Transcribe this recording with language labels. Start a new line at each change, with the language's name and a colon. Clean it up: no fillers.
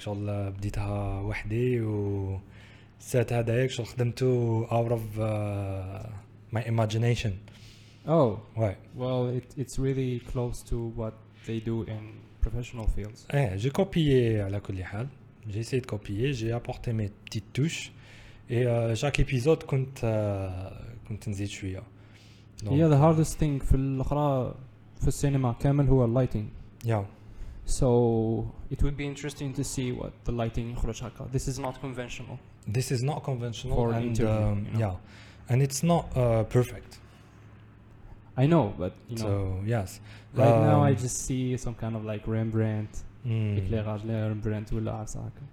Arabic: شغل بديتها وحدي و السيت هذاك شغل خدمته
English: out of my imagination. Oh.
French: Ouais.
English: Well, it's really close to what they do in professional fields.
French: Eh, j'ai copié à la
Arabic: كل حال.
French: J'ai essayé de copier, j'ai apporté mes petites touches et chaque épisode compte
Arabic: نزيد شويه.
English: Yeah, the hardest thing
Arabic: في الاخرى في السينما كامل هو اللايتنج.
English: Yeah. So, it would be interesting to see what the lighting
Arabic: يخرج هكا.
English: This is not conventional. This is not conventional for and an interview, you know? Yeah. And it's not perfect. I know, but you know. So yes. Right now, I just see some kind of like Rembrandt,
French: éclairage Rembrandt ou la Arsac.